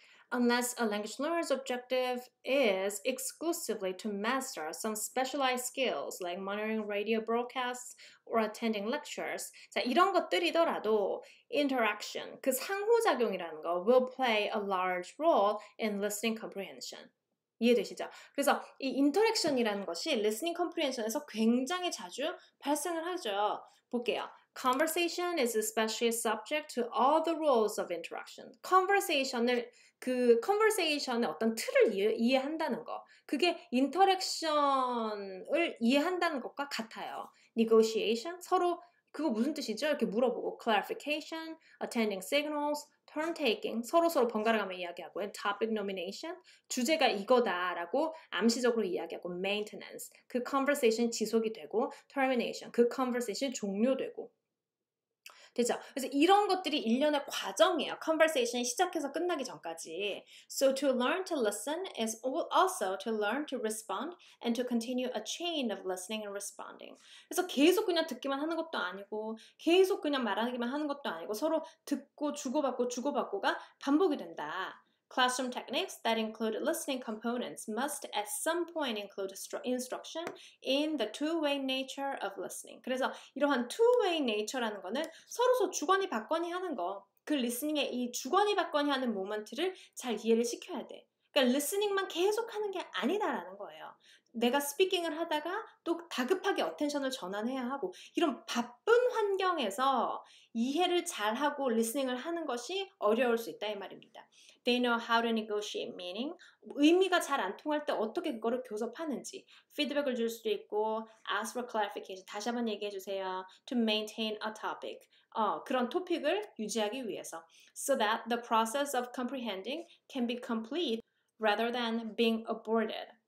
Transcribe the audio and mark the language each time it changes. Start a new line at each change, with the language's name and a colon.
English: Unless a language learner's objective is exclusively to master some specialized skills like monitoring radio broadcasts or attending lectures.
Korean: 자, 이런 것들이더라도
English: interaction,
Korean: 그 상호작용이라는 거
English: will play a large role in listening comprehension.
Korean: 이해되시죠? 그래서 이 인터랙션이라는 것이 리스닝 컴프리헨션에서 굉장히 자주 발생을 하죠. 볼게요.
English: Conversation is especially subject to all the rules of interaction.
Korean: Conversation의 어떤 틀을 이해한다는 거. 그게 인터랙션을 이해한다는 것과 같아요. Negotiation, 서로 그거 무슨 뜻이죠? 이렇게 물어보고 clarification, attending signals, turn taking, 서로서로 번갈아가며 이야기하고요. topic nomination, 주제가 이거다라고 암시적으로 이야기하고 maintenance, 그 conversation 지속이 되고 termination, 그 conversation 종료되고. 되죠? 그래서 이런 것들이 일련의 과정이에요. conversation 시작해서 끝나기 전까지.
English: So to learn to listen is also to learn to respond and to continue a chain of listening and responding.
Korean: 그래서 계속 그냥 듣기만 하는 것도 아니고, 계속 그냥 말하기만 하는 것도 아니고, 서로 듣고 주고받고 주고받고가 반복이 된다.
English: Classroom techniques that include listening components must at some point include instruction in the two-way nature of listening.
Korean: 그래서 이러한 two-way nature라는 거는 서로서 주거니 받거니 하는 거. 그 리스닝의 이 주거니 받거니 하는 모먼트를 잘 이해를 시켜야 돼. 그러니까 리스닝만 계속하는 게 아니다라는 거예요. 내가 스피킹을 하다가 또 다급하게 어텐션을 전환해야 하고 이런 바쁜 환경에서 이해를 잘하고 리스닝을 하는 것이 어려울 수 있다 이 말입니다.
English: They know how to negotiate meaning.
Korean: 의미가 잘안 통할 때 어떻게 그거를 교섭하는지 피드백을 줄 수도 있고
English: ask for clarification
Korean: 다시 한번 얘기해 주세요.
English: To maintain a topic.
Korean: 그런 토픽을 유지하기 위해서.
English: So that the process of comprehending can be complete rather than being aborted.